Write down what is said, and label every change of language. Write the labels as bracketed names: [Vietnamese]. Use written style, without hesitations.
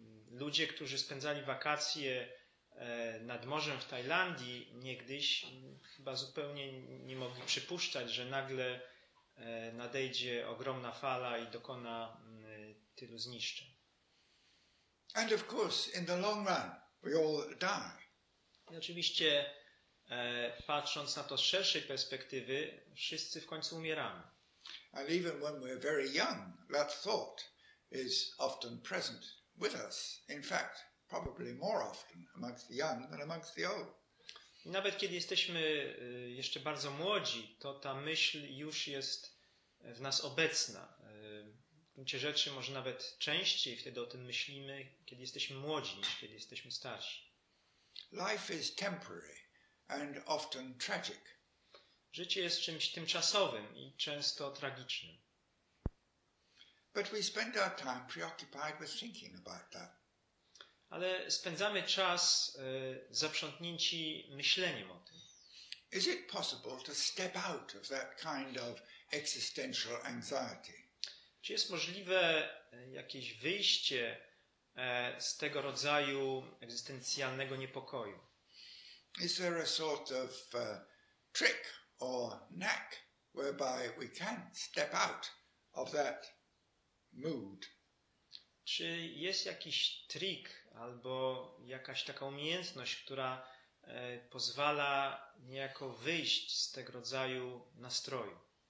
[Polish] Ludzie, którzy spędzali wakacje nad morzem w Tajlandii niegdyś, chyba zupełnie nie mogli przypuszczać, że nagle nadejdzie ogromna fala i dokona tylu zniszczeń. [English] And of course, in the long run, we all die. [Polish] I oczywiście, patrząc na to z szerszej perspektywy, wszyscy w końcu umieramy. [English] And even when we're very young, that thought is often present with us. In fact, probably more often amongst the young than amongst the old. [Polish] I nawet kiedy jesteśmy jeszcze bardzo młodzi, to ta myśl już jest w nas obecna. W gruncie rzeczy może nawet częściej wtedy o tym myślimy, kiedy jesteśmy młodzi, niż kiedy jesteśmy starsi. [English] Life is temporary and often tragic. [Polish] Życie jest czymś tymczasowym i często tragicznym. [English] But we spend our time preoccupied with thinking about that. [Polish] Ale spędzamy czas zaprzątnięci myśleniem o tym. [English] Is it possible to step out of that kind of existential anxiety? [Polish] Czy jest możliwe jakieś wyjście z tego rodzaju egzystencjalnego niepokoju. [English] Is there a sort of trick or knack whereby we can step out of that mood? [Polish] Czy jest jakiś trik albo jakaś taka umiejętność, która pozwala niejako wyjść z tego rodzaju nastroju?